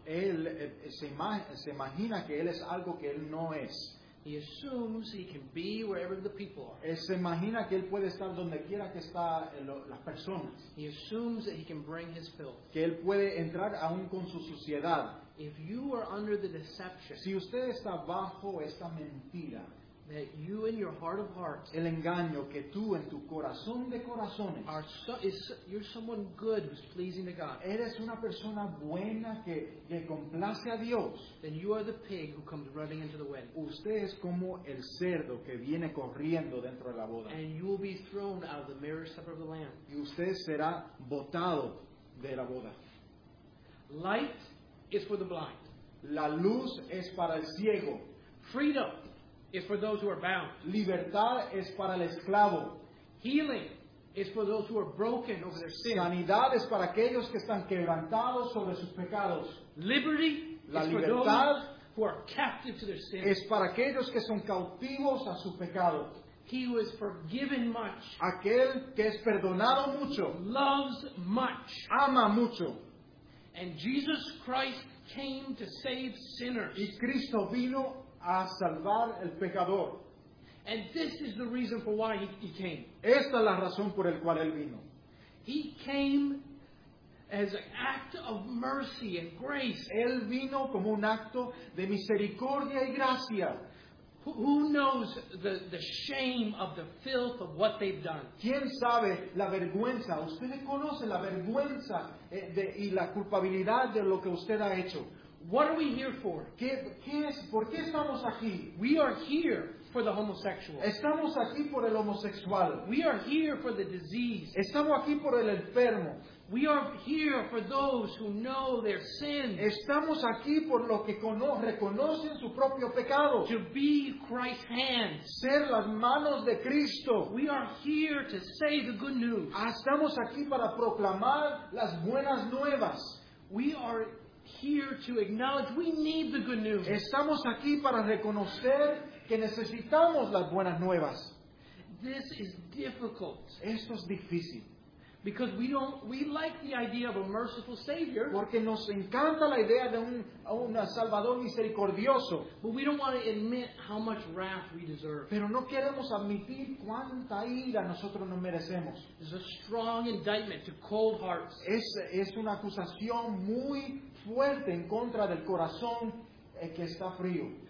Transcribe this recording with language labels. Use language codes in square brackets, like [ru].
[es] Él se imagina que él es algo que él no es. [en] He assumes he can be wherever the people are. [es] Él se imagina que él puede estar donde quiera que está las personas. [en] He assumes that he can bring his filth. [es] Que él puede entrar aún con su suciedad. [en] If you are under the deception, [es] si usted está bajo esta mentira, [en] that you in your heart of hearts, [es] el engaño que tú en tu corazón de corazones, [en] you're someone good who's pleasing to God. [es] Eres una persona buena que complace a Dios. [en] Then you are the pig who comes running into the wedding. [es] Usted es como el cerdo que viene corriendo dentro de la boda. [en] And you will be thrown out of the marriage supper of the Lamb. [es] Y usted será botado de la boda. [en] Light is for the blind. [es] La luz es para el ciego. [en] Freedom is for those who are bound. [es] Libertad es para el esclavo. [en] Healing is for those who are broken over their sin. [es] Sanidad es para aquellos que están quebrantados sobre sus pecados. [en] Liberty [es] la [en] is [es] libertad [en] for those who are captive to their sin. [es] Es para aquellos que son cautivos a su pecado. [en] He who is forgiven much. [es] Aquel que es perdonado mucho. [en] Loves much. [es] Ama mucho. [en] And Jesus Christ came to save sinners. [es] Y Cristo vino a salvar el pecador. [en] And this is the reason for why he came. [es] Esta es la razón por el cual él vino. [en] He came as an act of mercy and grace. [es] Él vino como un acto de misericordia y gracia. [en] Who knows the shame of the filth of what they've done? [es] ¿Quién sabe la vergüenza? ¿Usted conoce la vergüenza de y la culpabilidad de lo que usted ha hecho? [en] What are we here for? [es] ¿Por qué estamos aquí? [en] We are here for the homosexual. [es] Estamos aquí por el homosexual. [en] We are here for the disease. [es] Estamos aquí por el enfermo. [en] We are here for those who know their sin. [es] Estamos aquí por los que reconocen su propio pecado. [en] To be Christ's hands. [es] Ser las manos de Cristo. [en] We are here to say the good news. [es] Estamos aquí para proclamar las buenas nuevas. [en] We are here to acknowledge we need the good news. [es] Estamos aquí para reconocer que necesitamos las buenas nuevas. [en] This is difficult. [es] Esto es difícil. [en] Because we like the idea of a merciful Savior. [es] Porque nos encanta la idea de un Salvador misericordioso. [en] But we don't want to admit how much wrath we deserve. [es] Pero no queremos admitir cuánta ira nosotros nos merecemos. [en] It's a strong indictment to cold hearts. [es] Es una acusación muy fuerte en contra del corazón que está frío.